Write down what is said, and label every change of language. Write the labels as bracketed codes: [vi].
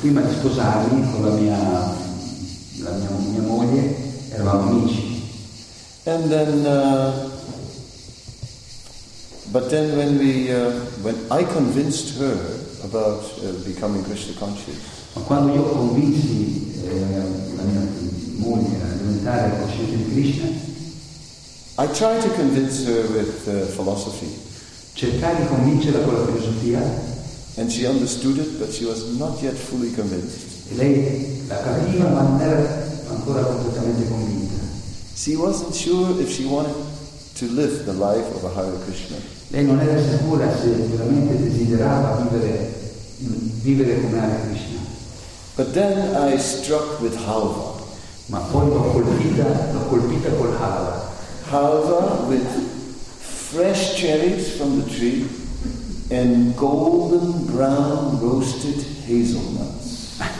[it] Prima di sposarmi con la mia moglie, eravamo amici. [en] And then, but then when we, when I convinced her about becoming Krishna conscious. [it] Ma quando io convinsi la mia moglie a diventare cosciente di Krishna, [en] I tried to convince her with philosophy. [it] Cercai di convincerla con la filosofia. [en] And she understood it, but she was not yet fully convinced. [it] E lei la capiva, ma non era ancora completamente convinta. [en] She wasn't sure if she wanted to live the life of a Hare Krishna. [it] Lei non era sicura se veramente desiderava vivere come Hare Krishna. [en] But then I struck with halva. [it] Ma poi l'ho colpita col halva. [en] Halva with fresh cherries from the tree and golden brown roasted hazelnuts.